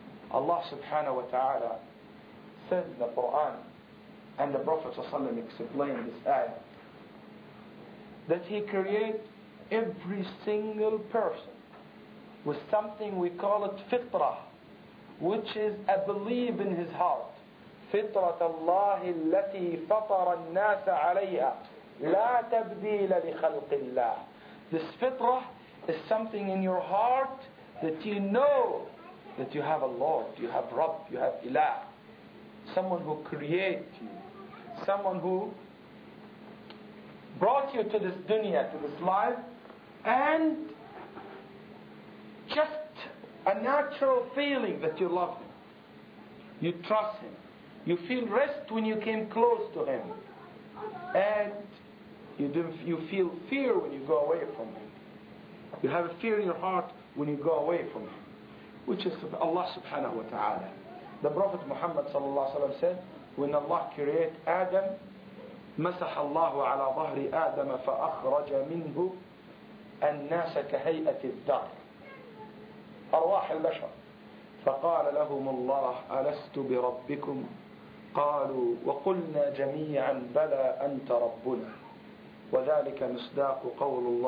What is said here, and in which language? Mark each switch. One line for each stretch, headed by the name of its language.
English: Allah subhanahu wa ta'ala said in the Quran, and the Prophet explained this ayah, that he created every single person with something we call it fitrah, which is a belief in his heart.
Arabic: فطرة الله التي فطر الناس عليها لا تبديل لخلق الله.
English: This fitrah is something in your heart that you know that you have a Lord, you have Rabb, you have Ilah, someone who created you, someone who brought you to this dunya, to this life, and just a natural feeling that you love him, you trust him. You feel rest when you came close to him. And you feel fear when you go away from him. You have a fear in your heart when you go away from him. Which is Allah subhanahu wa ta'ala. The Prophet Muhammad sallallahu alayhi wa sallam said, when Allah created Adam,
Arabic: مَسَحَ اللَّهُ عَلَىٰ ظَهْرِ آدَمَ فَأَخْرَجَ مِنْهُ النَّاسَ كَهَيْئَةِ الدَّارِ أَرْوَاحِ الْبَشَرِ فَقَالَ لَهُمُ اللَّهُ أَلَسْتُ بِرَبِّكُمْ قالوا وقلنا جميعا بلى أنت ربنا وذلك مصداق قول